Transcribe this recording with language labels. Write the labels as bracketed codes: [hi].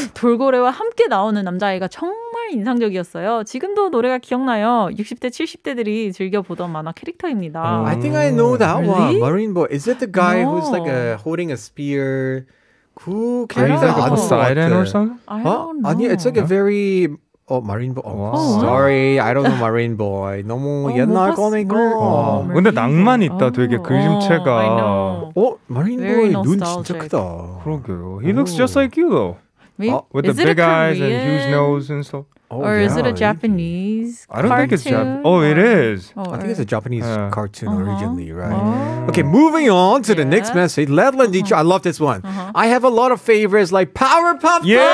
[ko] 돌고래와 함께 나오는 남자아이가 정말 인상적이었어요. 지금도 노래가 기억나요. 60대, 70대들이 즐겨보던 만화 캐릭터입니다. [en] I think I know that one. Really? Marine Boy. Is it the guy who's like holding a spear? Who can he's like a Poseidon or something? I don't know. [ko] 아니, [en] it's like a very... Oh, Marine Boy. Oh, sorry, I don't know Marine Boy. [ko] 너무 옛날 거니까. 근데 낭만 있다, 되게 그림체가. Oh, Marine Boy 눈 진짜 크다. 그러게요. [en] He looks just like you, though. With the big eyes and huge nose and stuff. Oh, or is it a Japanese cartoon? I don't think it's Japanese. Oh, it is. I think it's a Japanese cartoon originally, right? Okay, moving on to the next message. Ledland teacher, I love this one. I have a lot of favorites like Powerpuff